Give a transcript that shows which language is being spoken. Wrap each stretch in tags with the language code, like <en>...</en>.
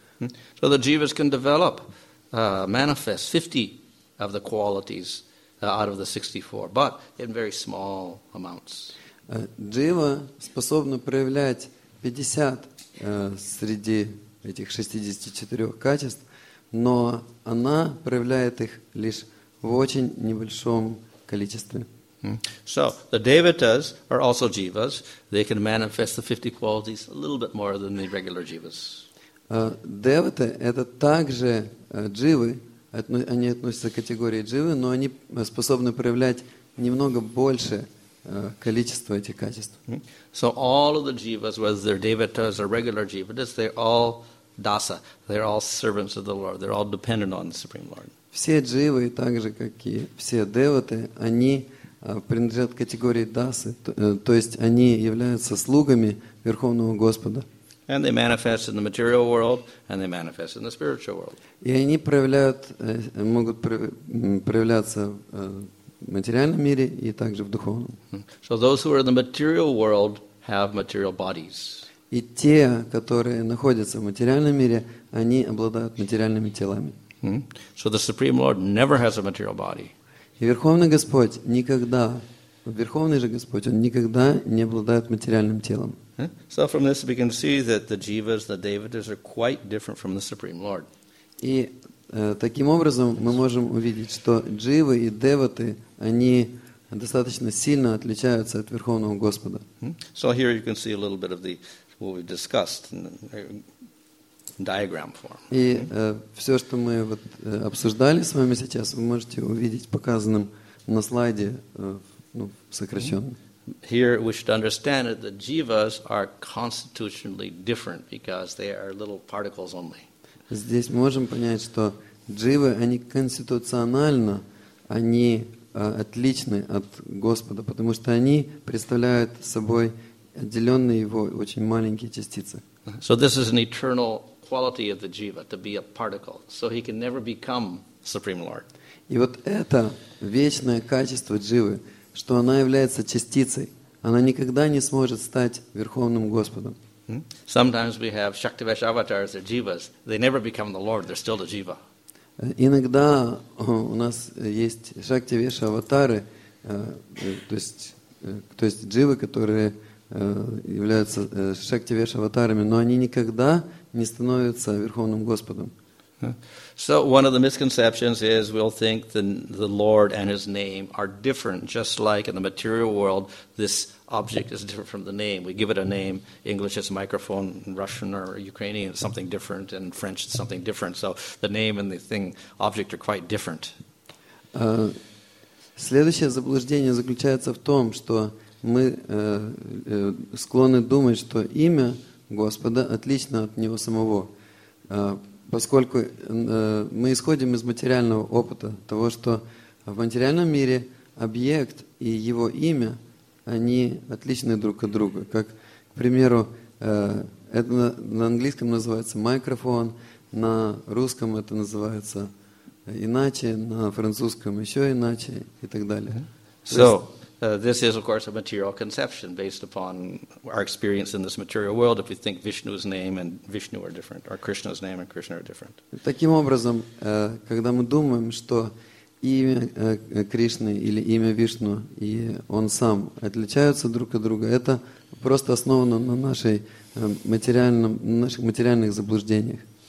<en>So the jivas can develop, manifest 50 of the qualities out of the 64, but in very small amounts.</en> <ru>Джива способна проявлять 50 среди этих 64 качеств, но она проявляет их лишь в очень небольшом количестве.</ru> <en>So, the devatas are also jivas. They can manifest the 50 qualities a little bit more than the regular jivas.</en> <ru>Деваты — это также дживы. Они относятся к категории дживы, но они способны проявлять немного больше количества этих качеств.</ru> <en>So, all of the jivas, whether they're devatas or regular jivas, they're all dasa. They're all servants of the Lord. They're all dependent on the Supreme Lord.</en> <ru>Все дживы, так же, как и все деваты, они принадлежат категории дасы, то есть они являются слугами Верховного Господа.</ru> <en>And they manifest in the material world, and they manifest in the spiritual world.</en> <ru>И они проявляют, могут проявляться в материальном мире и также в духовном.</ru> <en>So those who are in the material world have material bodies.</en> <ru>И те, которые находятся в материальном мире, они обладают материальными телами.</ru> <en>So the Supreme Lord never has a material body.</en> <ru>И Верховный Господь никогда, Верховный же Господь, Он никогда не обладает материальным телом.</ru> <en>So from this we can see that the jivas, the devatas are quite different from the Supreme Lord.</en> <ru>И таким образом мы можем увидеть, что дживы и деваты, они достаточно сильно отличаются от Верховного Господа.</ru> <en>So here you can see a little bit of the what we discussed in the diagram form.</en> <ru>И все, что мы вот обсуждали с вами сейчас, вы можете увидеть показанным на слайде, ну, сокращенно.</ru> <en>Here we should understand that the jivas are constitutionally different because they are little particles only.</en> <ru>Здесь мы можем понять, что дживы, они конституционально, они отличны от Господа, потому что они представляют собой отделенные Его очень маленькие частицы.</ru> <en>So this is an eternal quality of the jiva, to be a particle. So he can never become Supreme Lord.</en> <ru>И вот это вечное качество дживы, что она является частицей, она никогда не сможет стать Верховным Господом.</ru> <en>Sometimes we have Shaktivesh avatars, they're jivas. They never become the Lord, they're still the jiva.</en> <ru>Иногда у нас есть Shaktivesh аватары, то есть дживы, которые являются Shaktivesh аватарами, но они никогда не становятся Верховным Господом.</ru> <en>So one of the misconceptions is we'll think the Lord and His name are different, just like in the material world, this object is different from the name. We give it a name. English is microphone, Russian or Ukrainian is something different, and French is something different. So the name and the thing, object are quite different.</en> <ru>Следующее заблуждение заключается в том, что мы склонны думать, что имя Господа отлично от Него самого. Поскольку мы исходим из материального опыта, того, что в материальном мире объект и его имя, они отличны друг от друга. Как, к примеру, это на английском называется «microphone», на русском это называется иначе, на французском еще иначе и так далее.</ru> <en>So, this is, of course, a material conception based upon our experience in this material world. If we think Vishnu's name and Vishnu are different, or Krishna's name and Krishna are different.</en> <ru>Таким образом, когда мы думаем, что имя Кришны или имя Вишну и он сам отличаются друг от друга, это просто основано на наших материальных заблуждениях.</ru>